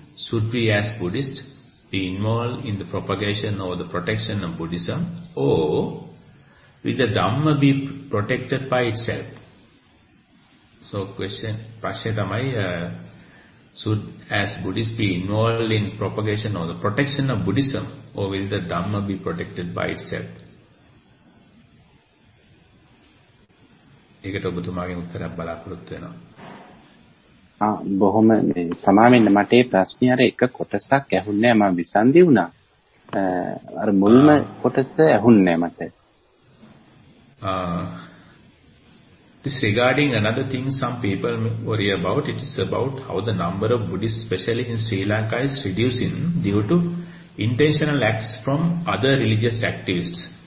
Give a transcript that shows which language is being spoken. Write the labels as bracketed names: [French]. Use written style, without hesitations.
[English] should we as Buddhists be involved in the propagation or the protection of Buddhism, or will the Dhamma be protected by itself? So question, [Sinhala] prashne tamai, [English] should as Buddhists be involved in propagation or the protection of Buddhism, or will the Dhamma be protected by itself? [Sinhala] ඒකට ඔබතුමාගෙන් උත්තරයක් බලාපොරොත්තු වෙනවා. ආ බොහොම සමාවෙන්න මට ඒ ප්‍රශ්නේ අර එක කොටසක් ඇහුන්නේ නැහැ මම විසන්දි වුණා. අර මුල්ම කොටස ඇහුන්නේ නැහැ මට. [English] Ah this regarding another thing some people worry about, it is about how the number of Buddhists especially in Sri Lanka is reducing due to intentional acts from other religious activists.